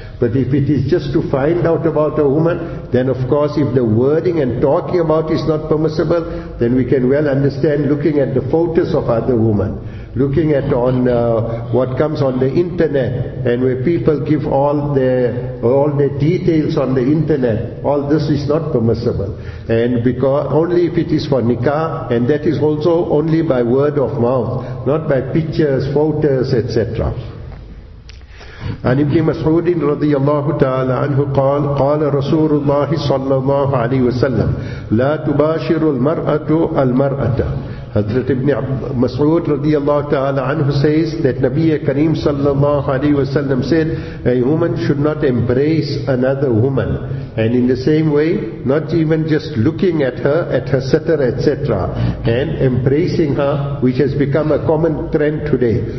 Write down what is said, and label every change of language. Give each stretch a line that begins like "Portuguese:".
English: But if it is just to find out about a woman, then of course if the wording and talking about is not permissible, then we can well understand looking at the photos of other women, looking at what comes on the internet, and where people give all the details on the internet, all this is not permissible. And because only if it is for nikah, and that is also only by word of mouth, not by pictures, photos, etc.
Arabic: عن ابن مسعود رضي الله تعالى عنه قال قال رسول الله صلى الله عليه وسلم لا تباشر المرأة المرأة.
English: حضرت ابن مسعود
Arabic: رضي الله تعالى عنه
English: says that نبي كريم
Arabic: صلى الله عليه وسلم
English: said a woman should not embrace another woman, and in the same way not even just looking at her, at her sitter, etc., and embracing her, which has become a common trend today.